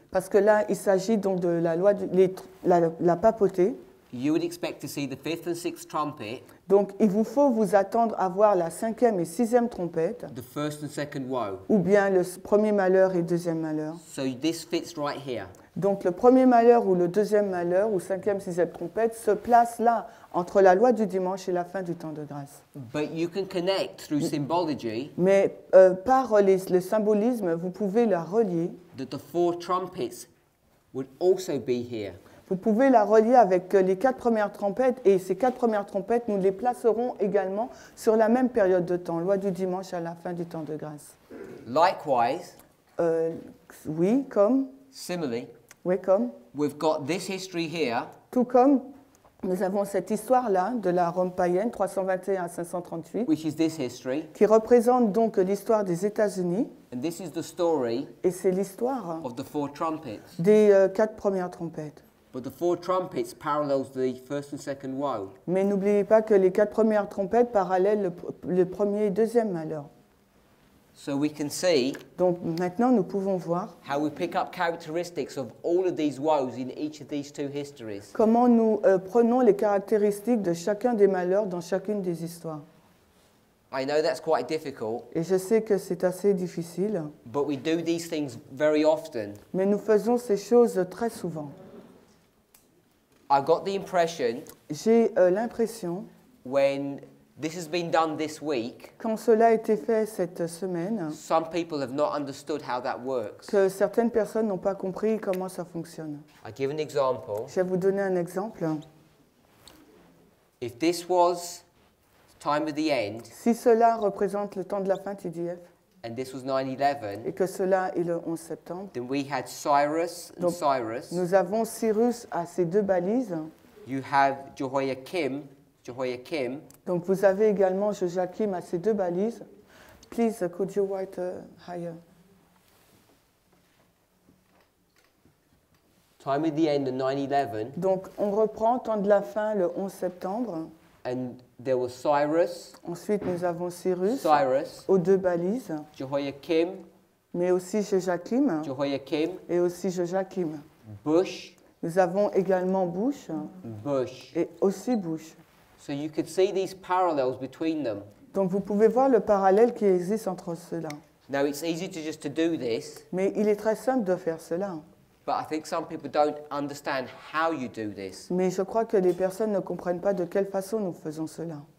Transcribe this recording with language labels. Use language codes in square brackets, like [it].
[fr] parce que là, il s'agit donc de la loi la papauté. [en] You would expect to see the fifth and sixth trumpet, [fr] donc il vous faut vous attendre à voir la cinquième et sixième trompette, [en] the first and second woe, [fr] ou bien le premier malheur et deuxième malheur. [en] So this fits right here. [fr] Donc le premier malheur ou le deuxième malheur ou cinquième, sixième trompette se place là, entre la loi du dimanche et la fin du temps de grâce. [en] But you can connect through symbology, [fr] mais par le symbolisme, vous pouvez la relier [en] that the four trumpets would also be here. [fr] Vous pouvez la relier avec les quatre premières trompettes, et ces quatre premières trompettes, nous les placerons également sur la même période de temps, loi du dimanche à la fin du temps de grâce. [en] Likewise. [fr] Oui, comme. [en] Similarly. [fr] Oui, comme. [en] We've got this history here. [fr] Tout comme nous avons cette histoire-là de la Rome païenne, 321 à 538. [en] Which is this history. [fr] Qui représente donc l'histoire des États-Unis. [en] And this is the story. [fr] Et c'est l'histoire. [en] Of the four trumpets. [fr] Des quatre premières trompettes. [en] But the four trumpets parallels the first and second woe. [fr] Mais n'oubliez pas que les quatre premières trompettes parallèlent le premier et deuxième malheur. [en] So we can see. [fr] Donc maintenant nous pouvons voir. [en] How we pick up characteristics of all of these woes in each of these two histories. [fr] Comment nous prenons les caractéristiques de chacun des malheurs dans chacune des histoires. [en] I know that's quite difficult. [fr] Et je sais que c'est assez difficile. [en] But we do these things very often. [fr] Mais nous faisons ces choses très souvent. [en] I got the impression. [fr] J'ai l'impression. [en] When this has been done this week. [fr] Quand cela a été fait cette semaine. [en] Some people have not understood how that works. [fr] Que certaines personnes n'ont pas compris comment ça fonctionne. [en] I give an example. [fr] Je vais vous donner un exemple. [en] If this was the time of the end. [fr] Si cela représente le temps de la fin, TDF. [en] And this was 9/11. [fr] Et que cela est le 11 septembre. [en] Then we had Cyrus and [fr] Donc, [en] Cyrus. [fr] Nous avons Cyrus à ses deux balises. [en] You have Jehoiakim. Jehoiakim. [fr] Donc vous avez également Jehoiakim à ses deux balises. [en] Please, could you write higher? Time of the end of 9/11. [fr] Donc on reprend temps de la fin le 11 septembre. [en] And there was Cyrus. [fr] Ensuite, nous avons Cyrus, [en] Cyrus [fr] aux deux balises. [en] Jehoiakim. [fr] Mais aussi Jehoiakim. [en] Jehoiakim. [fr] Et aussi Jehoiakim. [en] Bush. [fr] Nous avons également Bush. [en] Bush. [fr] Et aussi Bush. [en] So you could see these parallels between them. [fr] Donc vous pouvez voir le parallèle qui existe entre cela. [en] Now it's easy to just to do this. [fr] Mais il est très simple de faire cela. [en] But I think some people don't understand how you do this. [fr] Mais je crois que les personnes ne comprennent pas de quelle façon nous faisons cela.